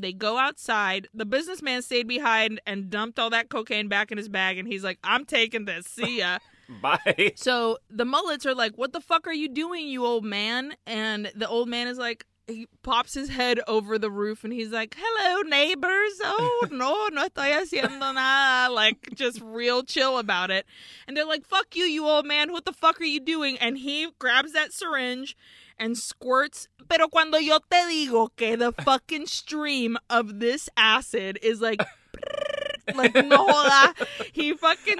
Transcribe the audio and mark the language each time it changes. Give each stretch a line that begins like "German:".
English: They go outside. The businessman stayed behind and dumped all that cocaine back in his bag, and he's like, I'm taking this. See ya. Bye. So the mullets are like, what the fuck are you doing, you old man? And the old man is like, he pops his head over the roof and he's like, hello, neighbors.
Spanish: Oh, no, no estoy haciendo nada.
English: Like, just real chill about it. And they're like, fuck you, you old man. What the fuck are you doing? And he grabs that syringe and squirts.
Spanish: Pero cuando yo te digo que
English: the fucking stream of this acid is like, brrr, like, no hola. He fucking squirts.